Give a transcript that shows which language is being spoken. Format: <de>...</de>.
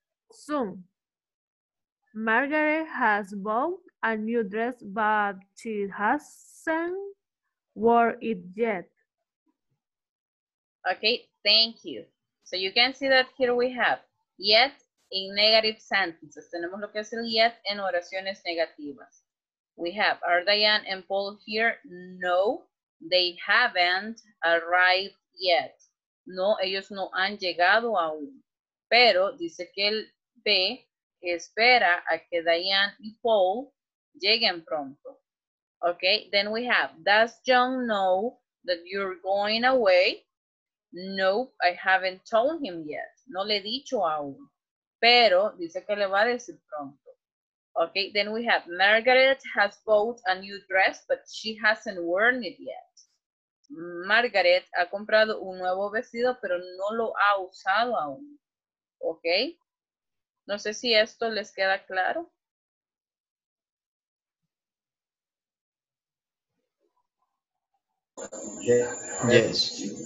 <en>Soon. Margaret has bought a new dress, but she hasn't worn it yet. Okay, thank you. So you can see that here we have yet in negative sentences.</en> <es>Tenemos lo que es el yet en oraciones negativas.</es> <en>We have, are Diane and Paul here? No, they haven't arrived yet.</en> <es>No, ellos no han llegado aún. Pero dice que el B espera a que Diane y Paul lleguen pronto.</es> <en>Okay, then we have, does John know that you're going away? Nope, I haven't told him yet.</en> <es>No le he dicho aún. Pero dice que le va a decir pronto.</es> <en>Okay, then we have, Margaret has bought a new dress, but she hasn't worn it yet.</en> <es>Margaret ha comprado un nuevo vestido, pero no lo ha usado aún. Okay, no sé si esto les queda claro.</es> <en>Yes.</en>